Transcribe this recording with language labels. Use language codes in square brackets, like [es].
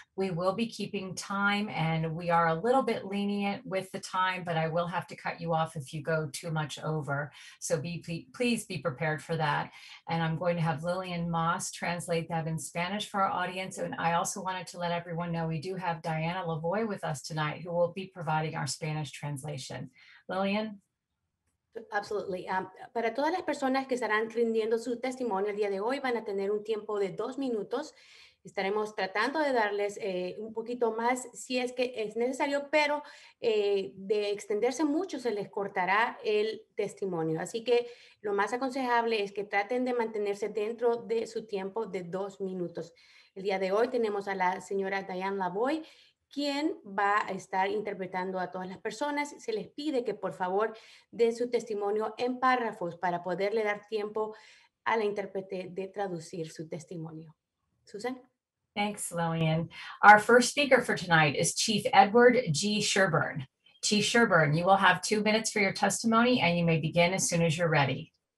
[en] We will be keeping time, and we are a little bit lenient with the time, but I will have to cut you off if you go too much over. So please be prepared for that. And I'm going to have Lillian Moss translate that in Spanish for our audience. And I also wanted to let everyone know we do have Diana Lavoie with us tonight, who will be providing our Spanish translation. Lillian? Absolutely. [es] Para todas las personas que estarán rindiendo su testimonio el día de hoy, van a tener un tiempo de 2 minutos. Estaremos tratando de darles un poquito más si es que es necesario, pero de extenderse mucho se les cortará el testimonio. Así que lo más aconsejable es que traten de mantenerse dentro de su tiempo de 2 minutos. El día de hoy tenemos a la señora Diane Lavoie, quien va a estar interpretando a todas las personas. Se les pide que por favor den su testimonio en párrafos para poderle dar tiempo a la intérprete de traducir su testimonio. [en] Susan. Thanks, Lillian. Our first speaker for tonight is Chief Edward G. Sherburn. Chief Sherburn, you will have 2 minutes for your testimony, and you may begin as soon as you're ready.